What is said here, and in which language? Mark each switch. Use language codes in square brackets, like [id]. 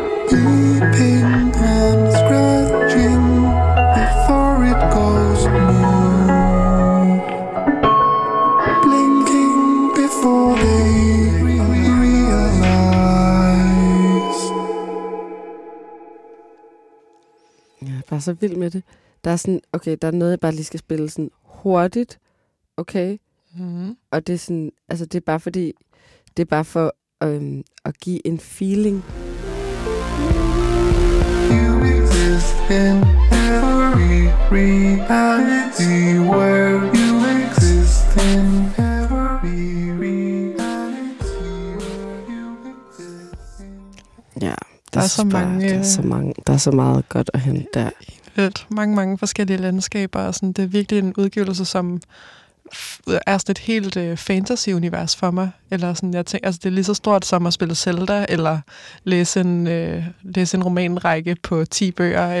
[en] Weeping and scratching before it goes blue. Blinking before they realize. [da] Jeg er bare så vild med det. Der er sådan, okay, der er noget, jeg bare lige skal spille sådan hurtigt. Okay. Mm-hmm. Og det er sådan, altså det er bare fordi, det er bare for at give en feeling. [en] You exist in every reality where you exist in every reality where you exist in. [da] Ja, der er så meget godt at hente der. Helt mange, mange forskellige landskaber, og sådan, det er virkelig en udgivelse, som er sådan et helt fantasy-univers for mig. Eller sådan, jeg tænker, altså, det er lige så stort som at spille Zelda, eller læse en romanrække på 10 bøger.